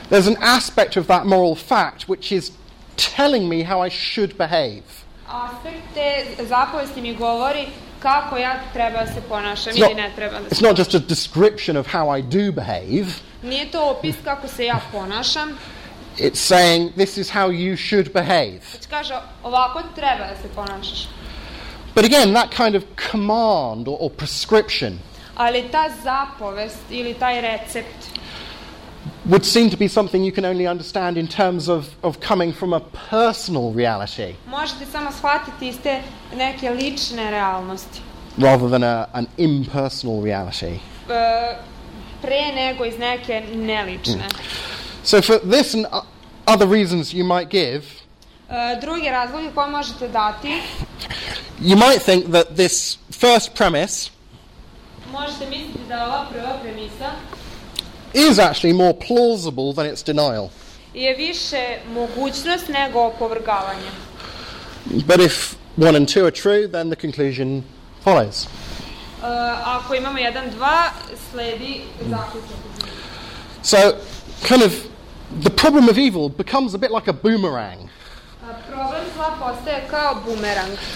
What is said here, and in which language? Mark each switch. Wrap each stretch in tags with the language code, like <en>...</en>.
<en>There's an aspect of that moral fact which is telling me how I should behave.</en> <sr>Aspekt te zapovesti mi govori kako ja treba se ponašam ili ne treba da se.</sr> <en>It's not just a description of how I do behave.</en> <sr>Nije to opis kako se ja ponašam.</sr> <en>It's saying this is how you should behave.</en> <sr>Kaže ovako treba da se ponašaš.</sr> <en>But again, that kind of command or prescription.</en> <sr>Ali ta zapovest ili taj recept</sr> <en>would seem to be something you can only understand in terms of coming from a personal reality.</en> <sr>Možete samo shvatiti iz te neke lične realnosti.</sr> <en>Rather than an impersonal reality.</en> <sr>pre nego iz neke nelične.</sr> <en>So for this and other reasons you might give,</en> <sr>drugi razlogi koje možete dati,</sr> <en>you might think that this first premise,</en> <sr>možete misliti da ova prva premisa,</sr> <en>is actually more plausible than its denial.</en> <sr>Je više mogućnost nego opovrgavanje.</sr> <en>But if one and two are true, then the conclusion follows.</en> <sr>Ako imamo jedan, dva, sledi zaključak.</sr> <en>So, kind of, the problem of evil becomes a bit like a boomerang.</en> <sr>Problem zla postaje kao boomerang.</sr>